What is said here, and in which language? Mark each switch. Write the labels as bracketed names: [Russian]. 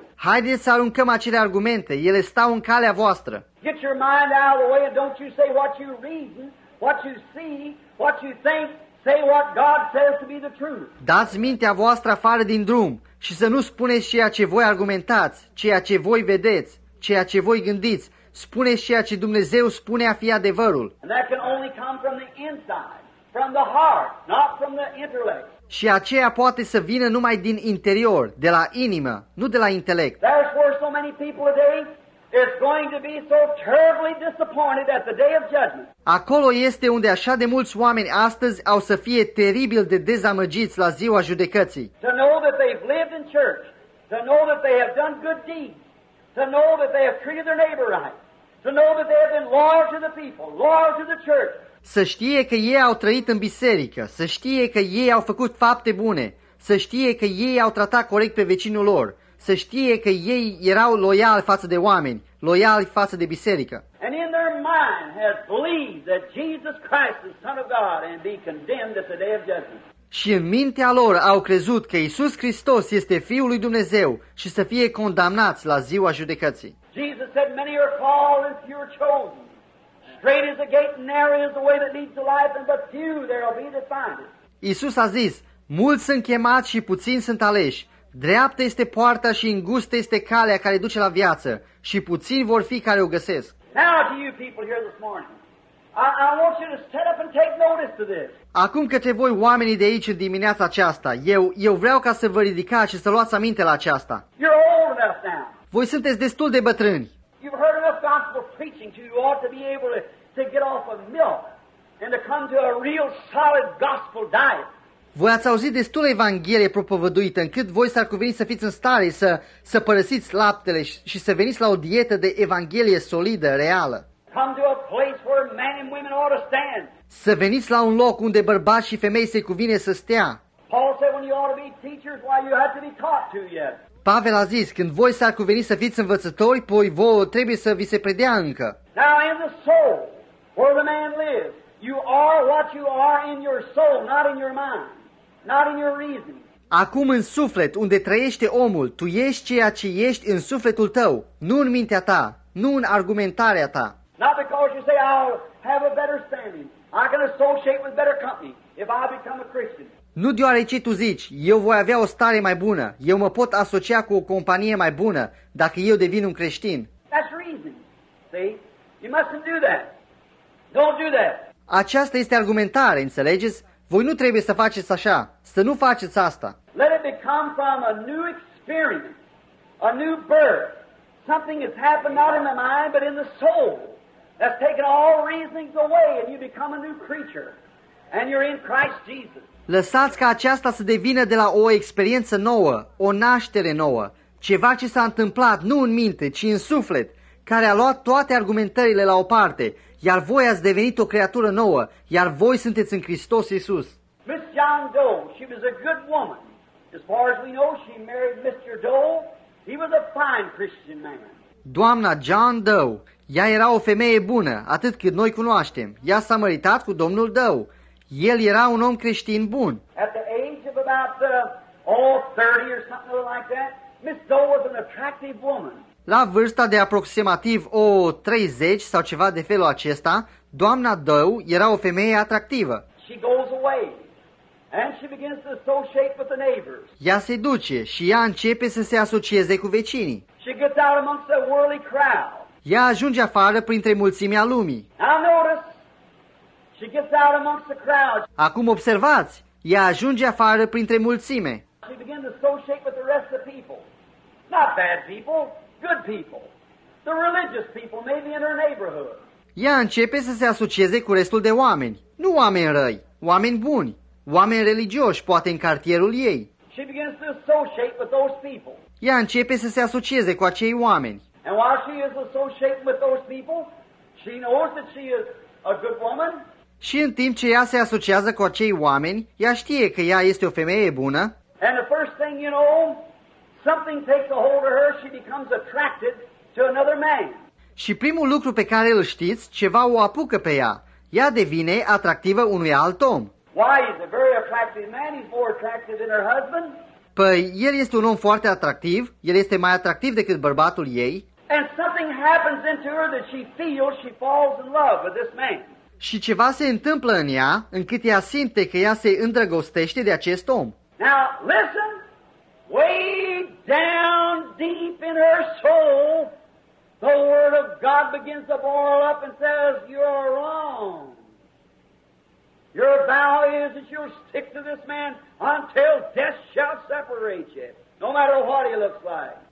[Romanian] Haideți să aruncăm acele argumente. Ele stau în calea voastră. [English] Get your mind out of the way and don't you say what you reason, what you see, what you think. Say what God says to be the truth. [Romanian] Dați mintea voastră afară din drum și să nu spuneți ceea ce voi argumentați, ceea ce voi vedeți, ceea ce voi gândiți. Spuneți ceea ce Dumnezeu spune a fi adevărul. [English] And that can only come from the inside, from the heart, not from the intellect. [Romanian] Și aceea poate să vină numai din interior, de la inimă, nu de la intelect. [English] That's where so many people today is going to be so terribly disappointed at the day of judgment. [Romanian] Acolo este unde așa de mulți oameni astăzi au să fie teribil de dezamăgiți la ziua judecății. [English] To know that they've lived in church, to know that they have done good deeds, to know that they have treated their neighbor right, to know that they have been loyal to the people, loyal to the church. [Romanian] Să știe că ei au trăit în biserică, să știe că ei au făcut fapte bune, să știe că ei au tratat corect pe vecinul lor, să știe că ei erau loiali față de oameni, loiali față de biserică. [English] And in their mind has believed that Jesus Christ is Son of God and be condemned at the day of judgment. [Romanian] Și în mintea lor au crezut că Iisus Hristos este Fiul lui Dumnezeu și să fie condamnați la ziua judecății. [English] Jesus said many are called and few are chosen. Straight is the gate and narrow is the way that leads to life, and but few there will be that find it. [Romanian] Iisus a zis, mulți sunt chemați și puțini sunt aleși. Dreaptă este poarta și îngustă este calea care duce la viață și puțini vor fi care o găsesc. [English] Now to you people here this morning, I want you to stand up and take notice of this. [Romanian] Acum către voi oamenii de aici în dimineața aceasta, eu vreau ca să vă ridicați și să luați aminte la aceasta. [English] You're old enough now. [Romanian] Voi sunteți destul de bătrâni. [English] You've heard enough gospel preaching to you ought to be able to get off of milk and to come to a real solid gospel diet. [Romanian] Voi ați auzit destul evanghelie propovăduită încât voi s-ar cuveni să fiți în stare să părăsiți laptele și să veniți la o dietă de evanghelie solidă, reală. [English] Come to a place where men and women ought to stand. [Romanian] Să veniți la un loc unde bărbați și femei se cuvine să stea. [English] Paul said when you ought to be teachers, why you have to be taught to yet. [Romanian] Pavel a zis, când voi s-ar cuveni să fiți învățători, poi voi trebuie să vi se predea încă. [English] Now in the soul, where the man lives, you are what you are in your soul, not in your mind, not in your reason. [Romanian] Acum în suflet, unde trăiește omul, tu ești ceea ce ești în sufletul tău, nu în mintea ta, nu în argumentarea ta. [English] Not because you say I'll have a better standing, I can associate with better company if I become a Christian. [Romanian] Nu deoarece tu zici, eu voi avea o stare mai bună, eu mă pot asocia cu o companie mai bună dacă eu devin un creștin. [English] That's reason. See? You mustn't do that. Don't do that. [Romanian] Aceasta este argumentare, înțelegeți? Voi nu trebuie să faceți așa, să nu faceți asta. [English] Let it become from a new experience, a new birth. Something has happened not in the mind, but in the soul. That's taken all reasonings away and you become a new creature. And you're in Christ Jesus. [Romanian] Lăsați ca aceasta să devină de la o experiență nouă, o naștere nouă, ceva ce s-a întâmplat nu în minte, ci în suflet, care a luat toate argumentările la o parte, iar voi ați devenit o creatură nouă, iar voi sunteți în Hristos Iisus. [English] Miss John Doe, she was a good woman. As far as we know, she married Mr. Doe. He was a fine Christian man. [Romanian] Doamna John Doe, ea era o femeie bună, atât cât noi cunoaștem. Ea s-a măritat cu domnul Doe. El era un om creștin bun. [English] At the age of about 30 or something like that, Miss Doe was an attractive woman. [Romanian] La vârsta de aproximativ 30 sau ceva de felul acesta, doamna Doe era o femeie atractivă. [English] She goes away and she begins to associate with the neighbors. [Romanian] Ea se duce și ea începe să se asocieze cu vecinii. [English] She gets out amongst the worldly crowd. [Romanian] Ea ajunge afară printre mulțimea lumii. [English] Now notice. She gets out amongst the crowd. [Romanian] Acum observați, ea ajunge afară printre mulțime. [English] She began to associate with the rest of the people. Not bad people, good people. The religious people maybe in her neighborhood. [Romanian] Ea începe să se asocieze cu restul de oameni. Nu oameni răi, oameni buni, oameni religioși, poate în cartierul ei. [English] She begins to associate with those people. [Romanian] Ea începe să se asocieze cu acei oameni. [English] And while she is associating with those people, she knows that she is a good woman. [Romanian] Și în timp ce ea se asociază cu acei oameni, ea știe că ea este o femeie bună. [English] And the first thing you know, something takes a hold of her, she becomes attracted to another man. [Romanian] Și primul lucru pe care îl știți, ceva o apucă pe ea. Ea devine atractivă unui alt om. [English] Why is a very attractive man, he's more attractive than her husband? [Romanian] Păi, el este un om foarte atractiv, el este mai atractiv decât bărbatul ei. [English] And something happens into her that she feels she falls in love with this man. [Romanian] Și ceva se întâmplă în ea, încât ea simte că ea se îndrăgostește de acest om. [English] Now, listen, way down deep in her soul, the word of God begins to boil up and says, you're wrong. Your vow is that you'll stick to this man until death shall separate you, no matter what he looks like.